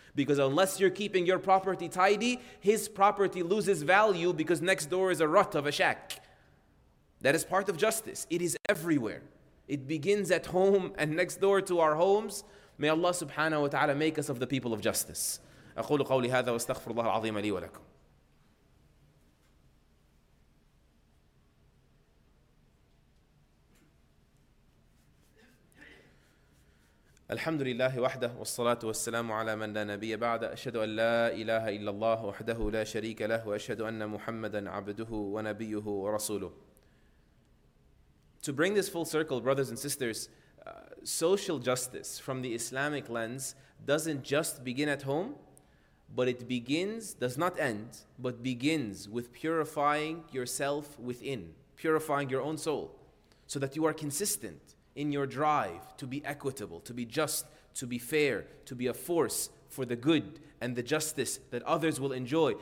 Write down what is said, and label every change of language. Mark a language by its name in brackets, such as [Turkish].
[English] Because unless you're keeping your property tidy, his property loses value because next door is a rut of a shack. That is part of justice. It is everywhere. It begins at home and next door to our homes. May Allah subhanahu wa ta'ala make us of the people of justice. [Arabic] أقول قولي هذا واستغفر الله العظيم لي ولكم. الحمد لله وحده والصلاة والسلام على من لا نبي بعد. أشهد أن لا إله إلا الله وحده لا شريك له وأشهد أن محمدا عبده ونبيه ورسوله. [English] To bring this full circle, brothers and sisters, social justice from the Islamic lens doesn't just begin at home, but it begins, does not end, but begins with purifying yourself within, purifying your own soul, so that you are consistent in your drive to be equitable, to be just, to be fair, to be a force for the good and the justice that others will enjoy.